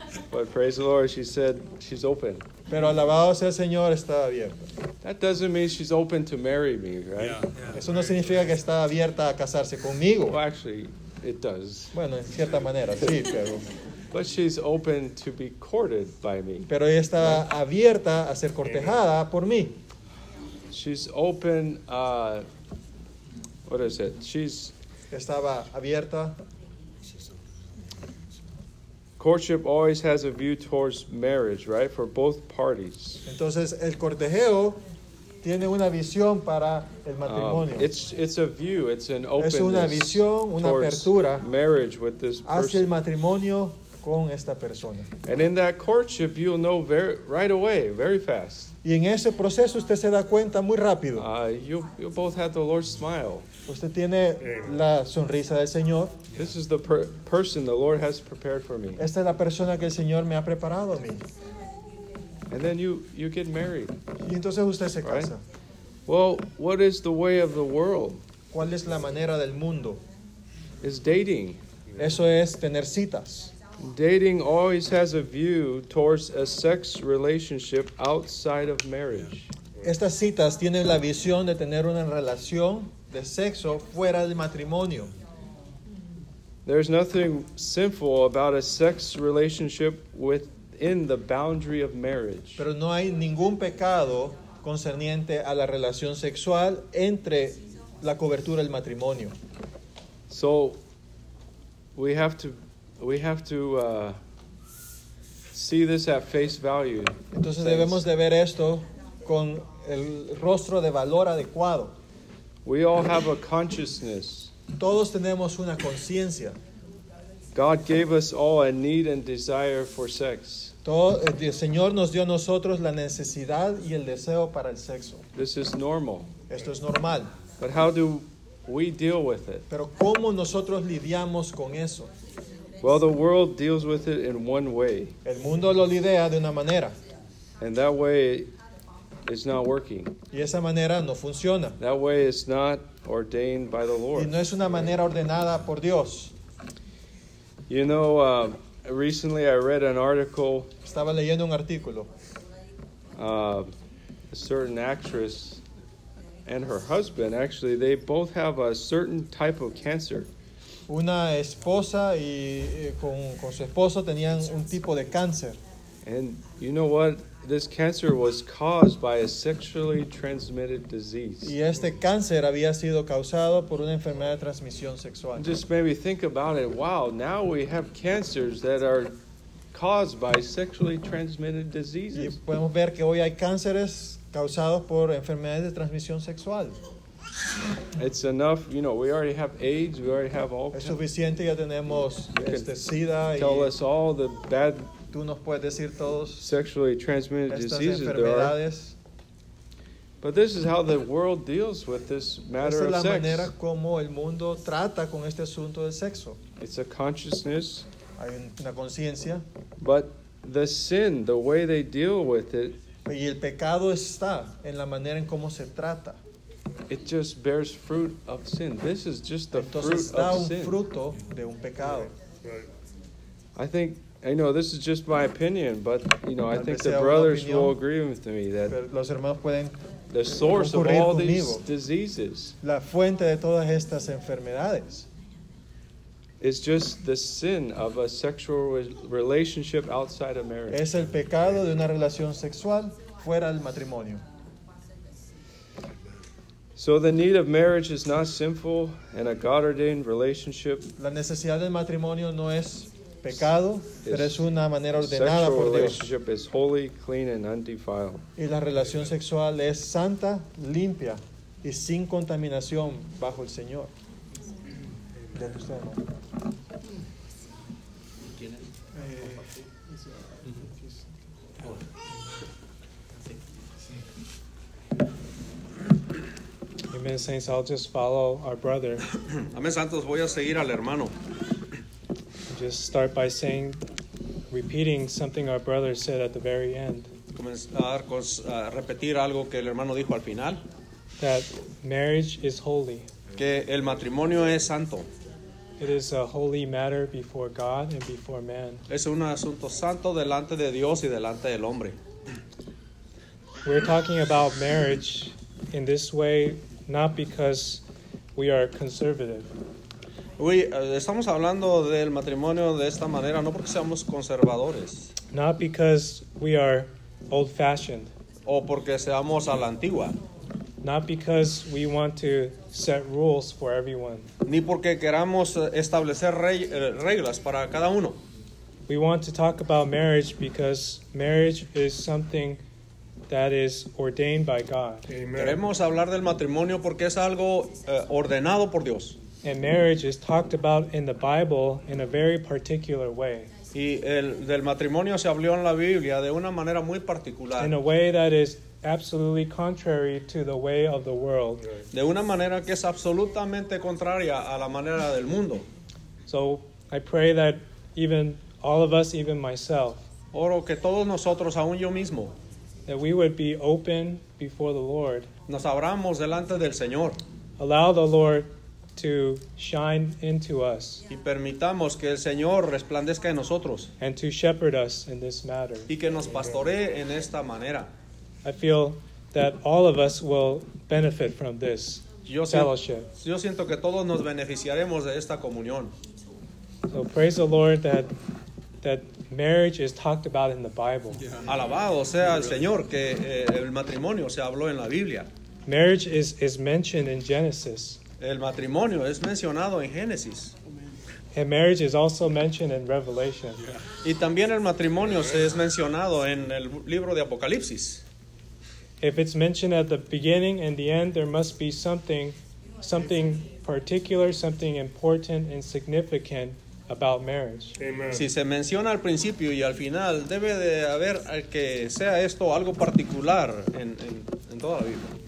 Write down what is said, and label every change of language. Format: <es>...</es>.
<en>But praise the Lord, she said she's open.</en> <es>Pero alabado sea el Señor, estaba abierta.</es> <en>That doesn't mean she's open to marry me, right? Yeah, yeah.</en> <es>Eso no significa que está abierta a casarse conmigo.</es> <en>Well, actually, it does.</en> <es>Bueno, en cierta manera, sí, pero...</es> <en>But she's open to be courted by me.</en> <es>Pero ella está abierta a ser cortejada por mí.</es> <en>She's open... what is it? She's...</en> <es>Estaba abierta.</es> <en>Courtship always has a view towards marriage, right? For both parties.</en> <es>Entonces, el cortejeo tiene una visión para el matrimonio.</es> <en>It's a view. It's an openness.</en> <es>Es una visión, una apertura.</es> <en>Marriage with this person.</en> <es>Hacia el matrimonio con esta persona.</es> <en>And in that courtship, you'll know very fast.</en> <es>Y en ese proceso, usted se da cuenta muy rápido.</es> <en>You both have the Lord's smile.</en> <es>Usted tiene la sonrisa del Señor.</es> <en>This is the person the Lord has prepared for me.</en> <es>Esta es la persona que el Señor me ha preparado a mí.</es> <en>And then you get married.</en> <es>Y entonces usted se casa.</es> <en>Well, what is the way of the world?</en> <es>¿Cuál es la manera del mundo?</es> <en>It's dating.</en> <es>Eso es tener citas.</es> <en>Dating always has a view towards a sex relationship outside of marriage.</en> <es>Estas citas tienen la visión de tener una relación de sexo fuera del matrimonio.</es> <en>There's nothing sinful about a sex relationship within the boundary of marriage.</en> <es>Pero no hay ningún pecado concerniente a la relación sexual entre la cobertura del matrimonio.</es> <en>So, we have to see this at face value.</en> <es>Entonces debemos de ver esto con el rostro de valor adecuado.</es> <en>We all have a consciousness.</en> <es>Todos tenemos una conciencia.</es> <en>God gave us all a need and desire for sex.</en> <es>El Señor nos dio a nosotros la necesidad y el deseo para el sexo.</es> <en>This is normal.</en> <es>Esto es normal.</es> <en>But how do we deal with it?</en> <es>Pero ¿cómo nosotros lidiamos con eso?</es> <en>Well, the world deals with it in one way.</en> <es>El mundo lo lidia de una manera.</es> <en>And that way is not working.</en> <es>Y esa manera no funciona.</es> <en>That way is not ordained by the Lord.</en> <es>Y no es una manera ordenada por Dios.</es> <en>You know, recently I read an article.</en> <es>Estaba leyendo un artículo.</es> <en>A certain actress and her husband, actually, they both have a certain type of cancer.</en> <es>Una esposa y con su esposo tenían un tipo de cáncer.</es> <en>And you know what? This cancer was caused by a sexually transmitted disease.</en> <es>Y este cáncer había sido causado por una enfermedad de transmisión sexual.</es> <en>Just made me think about it. Wow, now we have cancers that are caused by sexually transmitted diseases.</en> <es>Y podemos ver que hoy hay cánceres causados por enfermedades de transmisión sexual.</es> <en>It's enough, you know, we already have AIDS, we already have all...</en> <es>Es suficiente, ya tenemos SIDA.</es> <en>Tell us all the bad...</en> <es>Tú nos puedes decir todos...</es> <en>Sexually transmitted diseases there are. But this is how the world deals with this matter of sex.</en> <es>Esta es la manera como el mundo trata con este asunto del sexo.</es> <en>It's a consciousness.</en> <es>Hay una conciencia.</es> <en>But the sin, the way they deal with it...</en> <es>Y el pecado está en la manera en cómo se trata.</es> <en>It just bears fruit of sin. This is just the</en> <es>entonces,</es> <en>fruit</en> <es>da</es> <en>of</en> <es>un</es> <en>sin.</en> <es>Fruto de un pecado.</es> <en>I think, I know this is just my opinion, but you know, I think the brothers</en> <es>opinión,</es> <en>will agree with me that</en> <es>los hermanos pueden</es> <en>the source of all</en> <es>conmigo,</es> <en>these diseases</en> <es>la fuente de todas estas enfermedades</es> <en>is just the sin of a sexual relationship outside of marriage.</en> <es>Es el pecado de una relación sexual fuera del matrimonio.</es> <en>So the need of marriage is not sinful and a God-ordained relationship.</en> <es>La necesidad del matrimonio no es pecado, pero es una manera ordenada por Dios.</es> <en>Sexual relationship is holy, clean, and undefiled.</en> <es>Y la relación sexual es santa, limpia, y sin contaminación bajo el Señor. ¿De usted, hermano? ¿Quién es?</es> <en>Amen, saints. I'll just follow our brother.</en> <es>Amen, santos. Voy a seguir al hermano.</es> <en>Just start by saying, repeating something our brother said at the very end.</en> <es>Comenzar con repetir algo que el hermano dijo al final.</es> <en>That marriage is holy.</en> <es>Que el matrimonio es santo.</es> <en>It is a holy matter before God and before man.</en> <es>Es un asunto santo delante de Dios y delante del hombre.</es> <en>We're talking about marriage in this way. Not because we are conservative.</en> <es>Estamos hablando del matrimonio de esta manera no porque seamos conservadores.</es> <en>Not because we are old-fashioned.</en> <es>O porque seamos a la antigua.</es> <en>Not because we want to set rules for everyone.</en> <es>Ni porque queramos establecer reglas para cada uno.</es> <en>We want to talk about marriage because marriage is something that is ordained by God. Amen.</en> <es>Queremos hablar del matrimonio porque es algo ordenado por Dios.</es> <en>And marriage is talked about in the Bible in a very particular way.</en> <es>Y del matrimonio se habló en la Biblia de una manera muy particular.</es> <en>In a way that is absolutely contrary to the way of the world.</en> <es>De una manera que es absolutamente contraria a la manera del mundo.</es> <en>So I pray that even all of us, even myself.</en> <es>Oro que todos nosotros, aún yo mismo.</es> <en>That we would be open before the Lord.</en> <es>Nos abramos delante del Señor.</es> <en>Allow the Lord to shine into us.</en> <es>Y permitamos que el Señor resplandezca en nosotros.</es> <en>And to shepherd us in this matter.</en> <es>Y que nos pastoree en esta manera.</es> <en>I feel that all of us will benefit from this fellowship.</en> <es>Yo siento que todos nos beneficiaremos de esta comunión.</es> <en>So praise the Lord that marriage is talked about in the Bible. Yeah.</en> <es>Alabado sea el Señor que el matrimonio se habló en la Biblia.</es> <en>Marriage is mentioned in Genesis.</en> <es>El matrimonio es mencionado en Génesis.</es> <en>And marriage is also mentioned in Revelation. Yeah.</en> <es>Y también el matrimonio se es mencionado en el libro de Apocalipsis.</es> <en>If it's mentioned at the beginning and the end, there must be something particular, something important and significant about marriage. Amen.</en> <es>Si se menciona al principio y al final, debe de haber que sea esto algo particular en toda la Biblia.</es>